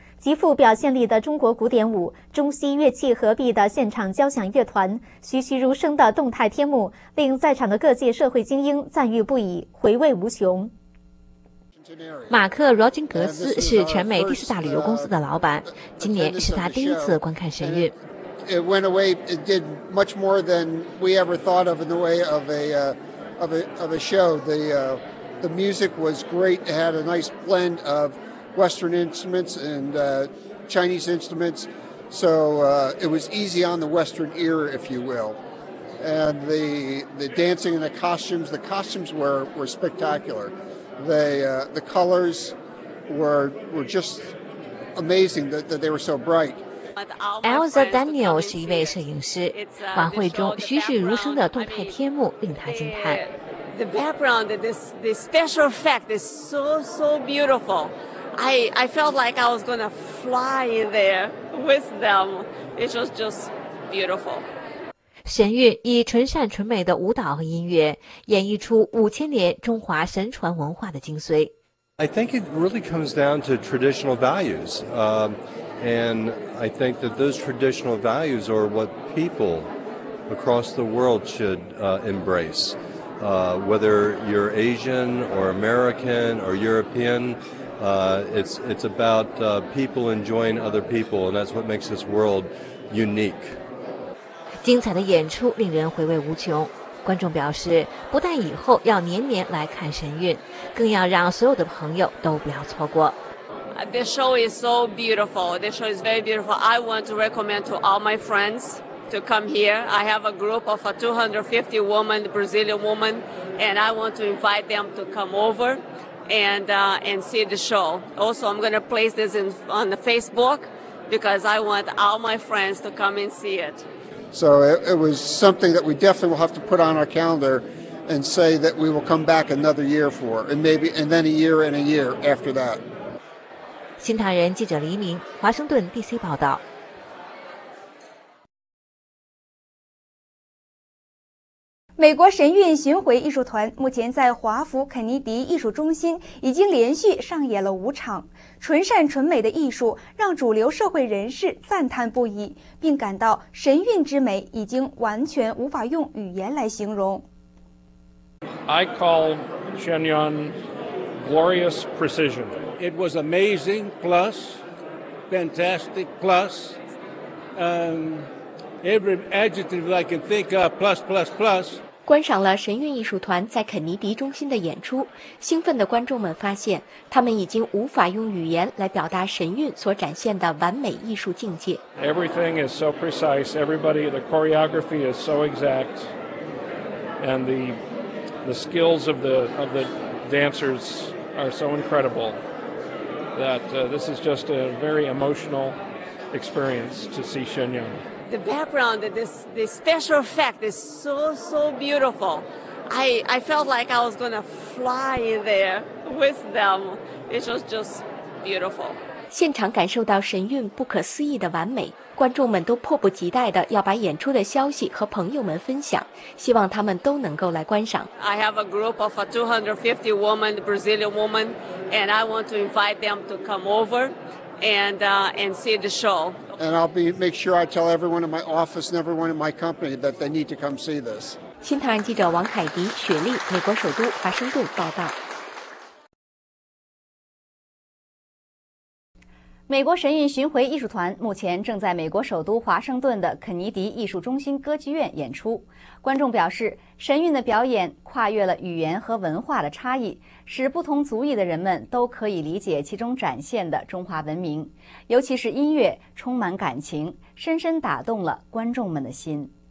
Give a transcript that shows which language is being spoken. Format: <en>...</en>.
<zh>极富表现力的中国古典舞、中西乐器合璧的现场交响乐团、栩栩如生的动态天幕，令在场的各界社会精英赞誉不已，回味无穷。马克·罗金格斯是全美第四大旅游公司的老板，今年是他第一次观看神韵。</zh> <en>It went away. It did much more than we ever thought of in the way of a show. The music was great. It had a nice blend of Western instruments and Chinese instruments. So it was easy on the Western ear, if you will. And the dancing and the costumes were spectacular. The colors were just amazing that they were so bright.</en> <zh>Elsa Daniel 是一位摄影师，晚会中栩栩如生的动态天幕令他惊叹。</zh> <en>The background, this special effect is so beautiful. I felt like I was gonna fly there with them. It was just beautiful.</en> <zh>神韵以纯善纯美的舞蹈和音乐演绎出五千年中华神传文化的精髓。</zh> <en>I think it really comes down to traditional values, and I think that those traditional values are what people across the world should embrace. Whether you're Asian or American or European, it's about people enjoying other people, and that's what makes this world unique.</en> <zh>精彩的演出令人回味无穷。观众表示，不但以后要年年来看神韵，更要让所有的朋友都不要错过。</zh> <en>The show is so beautiful. The show is very beautiful. I want to recommend to all my friends to come here. I have a group of 250 women, Brazilian women, and I want to invite them to come over and see the show. Also, I'm going to place this on the Facebook because I want all my friends to come and see it. So it was something that we definitely will have to put on our calendar and say that we will come back another year for, and maybe, and then a year and a year after that.</en> <zh>新唐人记者黎明，华盛顿 DC 报道。美国神韵巡回艺术团目前在华府肯尼迪艺术中心已经连续上演了五场。纯善纯美的艺术让主流社会人士赞叹不已，并感到神韵之美已经完全无法用语言来形容。</zh> <en>I call Shen Yun glorious precision. It was amazing plus fantastic plus every adjective I can think of plus plus plus.</en> <zh>观赏了神韵艺术团在肯尼迪中心的演出，兴奋的观众们发现，他们已经无法用语言来表达神韵所展现的完美艺术境界。</zh> <en>Everything is so precise. Everybody, the choreography is so exact, and the skills of the dancers are so incredible that this is just a very emotional experience to see Shen Yun. The background, the special effect is so, so beautiful. I felt like I was going to fly in there with them. It was just beautiful.</en> <zh>现场感受到神韵不可思议的完美，观众们都迫不及待地要把演出的消息和朋友们分享，希望他们都能够来观赏。</zh> <en>I have a group of 250 women, Brazilian women, and I want to invite them to come over and see the show. And I'll make sure I tell everyone in my office and everyone in my company that they need to come see this.</en> <zh>新唐人记者王凯迪、雪莉，美国首都华盛顿报道。美国神韵巡回艺术团目前正在美国首都华盛顿的肯尼迪艺术中心歌剧院演出。观众表示，神韵的表演跨越了语言和文化的差异，使不同族裔的人们都可以理解其中展现的中华文明，尤其是音乐充满感情，深深打动了观众们的心。</zh>